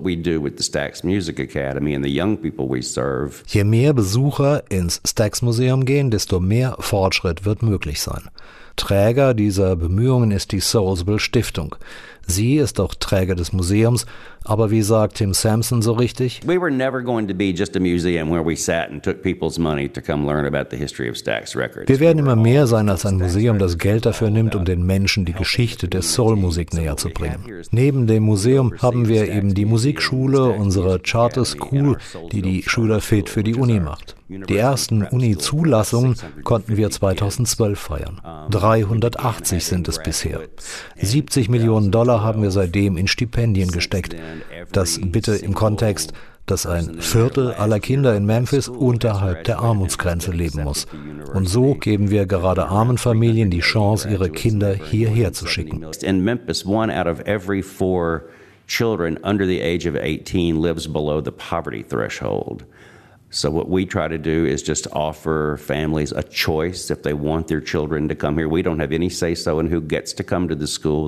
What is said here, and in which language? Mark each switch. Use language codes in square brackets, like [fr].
[de] Je mehr Besucher ins Stax Museum gehen, desto mehr Fortschritt wird möglich sein. Träger dieser Bemühungen ist die Soulsville Stiftung. Sie ist auch Träger des Museums, aber wie sagt Tim Sampson so richtig? [en] We were never going to be just a museum where we sat and took people's money to come learn about the history of Stax Records. [de] Wir werden immer mehr sein als ein Museum, das Geld dafür nimmt, um den Menschen die Geschichte der Soulmusik näher zu bringen. Neben dem Museum haben wir eben die Musikschule, unsere Charter School, die die Schüler fit für die Uni macht. Die ersten Uni-Zulassungen konnten wir 2012 feiern. 380 sind es bisher. 70 Millionen Dollar haben wir seitdem in Stipendien gesteckt. Das bitte im Kontext, dass ein Viertel aller Kinder in Memphis unterhalb der Armutsgrenze leben muss. Und so geben wir gerade armen Familien die Chance, ihre Kinder hierher zu schicken. [en] In Memphis, one out of every four children under the age of 18 lives below the poverty threshold. So what we try to do is just offer families a choice if they want their children to come here. We don't have any say so in who gets to come to the school.